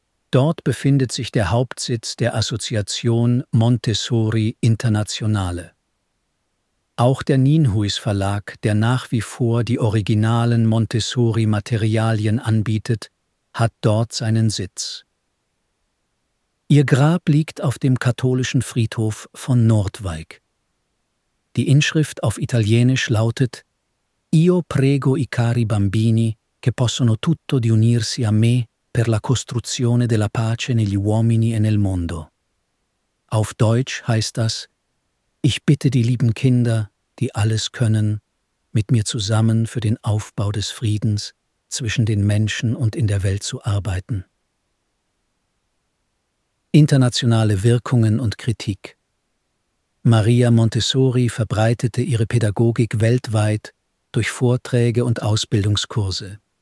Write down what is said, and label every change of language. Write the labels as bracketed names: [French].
[German] Dort befindet sich der Hauptsitz der Assoziation Montessori Internationale. Auch der Nienhuis Verlag, der nach wie vor die originalen Montessori-Materialien anbietet, hat dort seinen Sitz. Ihr Grab liegt auf dem katholischen Friedhof von Noordwijk. Die Inschrift auf Italienisch lautet: [Italian] Io prego i cari bambini che possono tutto di unirsi a me per la costruzione della pace negli uomini e nel mondo. [German] Auf Deutsch heißt das: Ich bitte die lieben Kinder, die alles können, mit mir zusammen für den Aufbau des Friedens zwischen den Menschen und in der Welt zu arbeiten. Internationale Wirkungen und Kritik. Maria Montessori verbreitete ihre Pädagogik weltweit durch Vorträge und Ausbildungskurse.